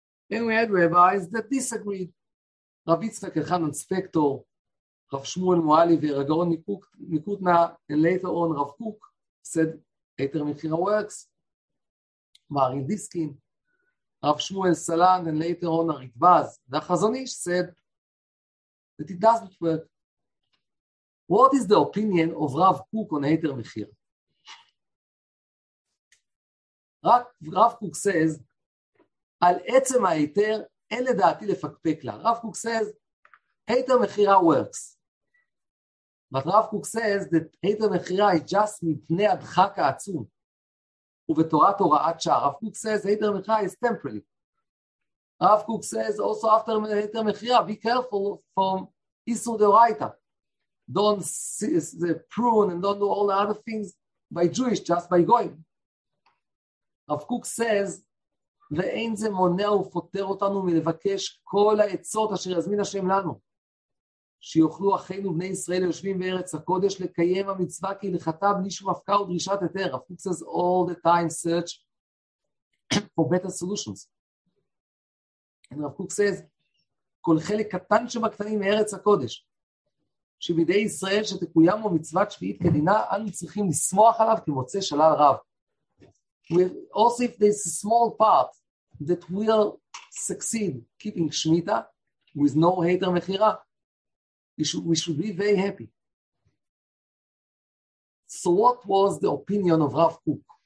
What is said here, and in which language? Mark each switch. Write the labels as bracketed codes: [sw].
[en] And we had rabbis that disagreed. Rav Yitzchak Elchanan Spector, Rav Shmuel Moali, Veragon Mikutna, and later on Rav Kook said, Heter Mechira works. Marin Diskin, Rav Shmuel Salan, and later on Aritvaz, the Chazon Ish said that it doesn't work. What is the opinion of Rav Kook on Heter Mechira? Rav Kook says, [he] על עצם היתר, אין לדעתי לפקפק לה. [en] רב קוק says, Heter Mechira works. But רב קוק says that Heter Mechira is just [he] מפני הדחק העצום. ובתורת הוראת שעה. [en] רב קוק says, Heter Mechira is temporary. רב קוק says, also after Heter Mechira, be careful from Isur Deoraita. Don't see the prune and don't do all the other things by Jewish, just by going. רב קוק says, [he] ואין זה מונע ופותר אותנו מלבקש כל העצות אשר יזמין השם לנו, שיוכלו אחינו בני ישראל יושבים בארץ הקודש לקיים המצווה כי לחטא בלי שום הפקה ודרישת היתר. [en] Rav Kook says all the time search for better solutions. And Rav Kook says, [he] כל חלק קטן שבקטנים מארץ הקודש, שבידי ישראל שתקוים הוא מצוות שביעית כדינה, אנו צריכים לשמוח עליו כמוצא שלל רב. [en] Also, if there's a small part that will succeed keeping Shemitah with no Heter Mechira, we should be very happy. So what was the opinion of Rav Kook?